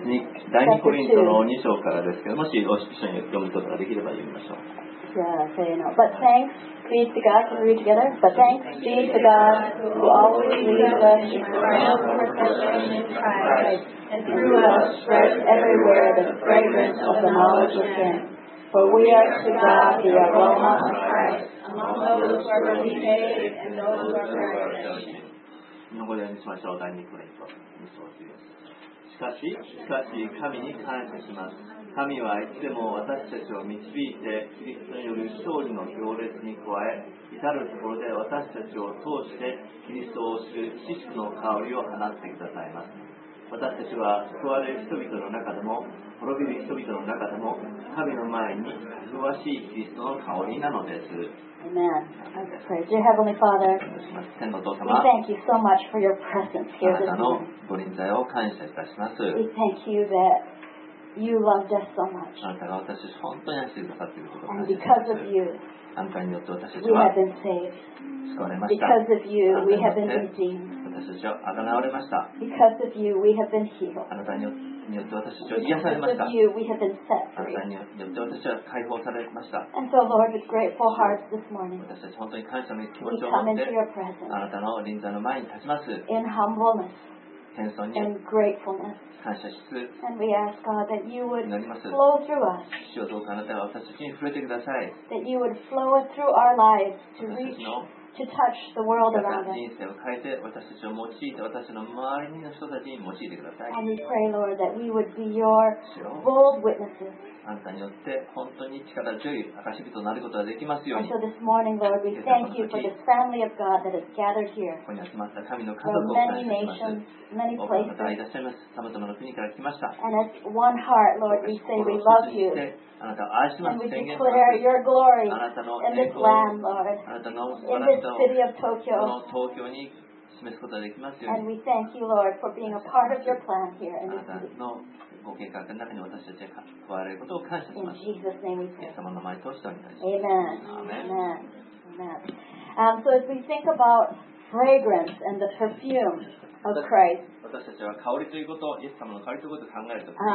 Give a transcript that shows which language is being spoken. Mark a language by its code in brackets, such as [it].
[ja] 第2コリントの2章からですけど、もし一緒に読むことができれば読みましょう。 [en] Yeah, say no. But thanks be to God. Can we read together? But thanks be to God who always leads us in the realm of our salvation in Christ, and through us spreads everywhere the fragrance of the knowledge of Him. For we are to God the aroma of Christ, among those who are really saved and those who are righteous. [ja] 日本語で読みましょう。第2コリント2章10節。しかし神に感謝します。神はいつでも私たちを導いてキリストによる勝利の行列に加え、至るところで私たちを通してキリストを知る知識の香りを放ってくださいます。私たちは救われる人々の中でも滅びる人々の中でも神の前に忙しいキリストの香りなのです。 [en] Amen. Dear Heavenly Father, we thank you so much for your presence here this morning. We thank you that you loved us so much. And because of you, we have been saved. Because of you, we have been redeemed. Because of you, we have been healed. [ja] によって私たちは癒されました。あなたによって私は解放されました。 [en] So、Lord, this morning, [ja] 私たち本当に感謝の気持ちを持って、あなたの臨座の前に立ちます。 [en] In humbleness, [ja] 謙遜に [en] and gratefulness, [ja] 感謝しつつ、 [en] and we ask God that you would [ja] 祈ります。 [en] Flow through us, [ja] 主よ、どうかあなたは私たちに触れてください。 [en] That you would flow through our lives to reach. To touch the world around us. And we pray, Lord, that we would be your bold witnesses. And so this morning, Lord, we thank you for this family of God that is gathered here from many nations, many places. And as one heart, Lord, we say we love you. [ja] あなたを愛します。 [en] And we declare your glory in this land, Lord, in this city of Tokyo. And we thank you, Lord, for being a part of your plan here in this city. [ja] ご計画の中に私たちが加われることを感謝します。イエス様の名前を通してお願いします。 [en] Amen. So as we think about fragrance and the perfume of Christ, [ja] 私たちは香りということをイエス様の香りということを考えると、